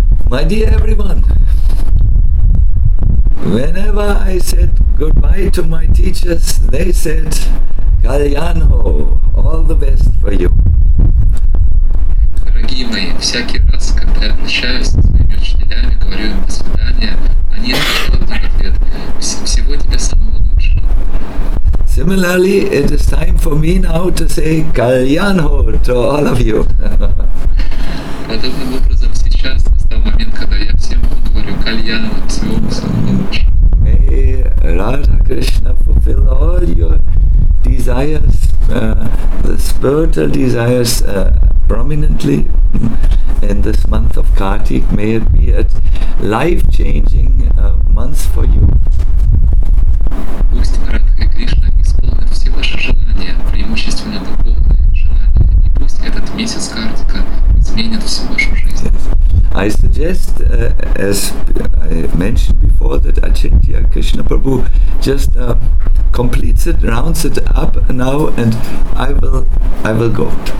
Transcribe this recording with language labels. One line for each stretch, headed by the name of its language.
English: My dear everyone, whenever I said goodbye to my teachers, they said, Kalyanho, all the best for you.
Russian: Дорогие мои, всякий раз, когда я обращаюсь со своими учителями, говорю им до свидания, они отвечают на ответ. Всего тебе самого лучшего.
English: Similarly, it is time for me now to say Kalyanho to all of you.
Russian: Подобным образом сейчас настал момент, когда я всем говорю Кальянхо, всего самого лучшего.
English: May Radha Krishna fulfill all your desires, the spiritual desires, prominently in this month of Kartik. May it be a life-changing month for you.
Russian: Пусть Радха и Кришна исполнят все ваши желания, преимущественно духовные желания, и пусть этот месяц Картика изменит всю вашу жизнь.
English: Yes. I suggest, as I mentioned before, that Achintya Krishna Prabhu just completes it, rounds it up now, and I will go.